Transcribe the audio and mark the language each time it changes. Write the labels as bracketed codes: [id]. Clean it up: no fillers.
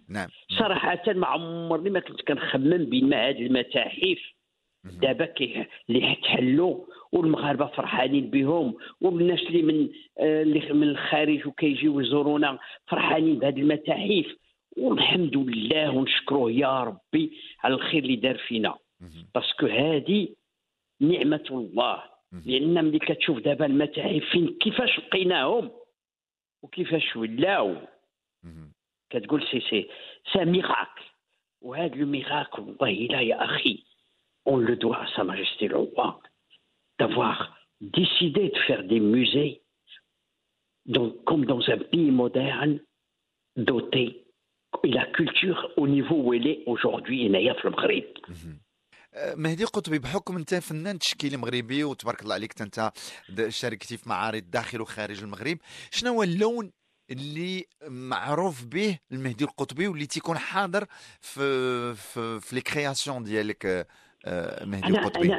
[ar] نعم صراحه ما عمرني ما كنت كنخمم بما هذه المتاحف دابا اللي حتحلوا والمغاربه فرحانين بهم، والناس اللي من الخارج وكيجيو يزورونا فرحانين بهذه المتاحف، والحمد لله ونشكروه يا ربي على الخير اللي دار فينا، باسكو هذه نعمه الله. لان ملي كتشوف دابا المتاحف فين كيفاش لقيناهم وكيفاش ولاو، كتقول سي ميغاكل. وهذا الميغاكل والله الا يا اخي اون لو دوا سا ماجستي لو روا [fr] d'avoir décidé de faire des musées dans, comme dans un pays moderne doté de la culture au niveau où elle est aujourd'hui et naïf le Maghreb. [ar] مهدي قطبي، بحكم انت فنان تشكيلي مغربي وتبارك الله عليك انت شاركتي في معارض داخل وخارج المغرب، شنو هو اللون اللي معروف به المهدي القطبي واللي تيكون حاضر في في في لي كرياسيون ديالك مهدي القطبي؟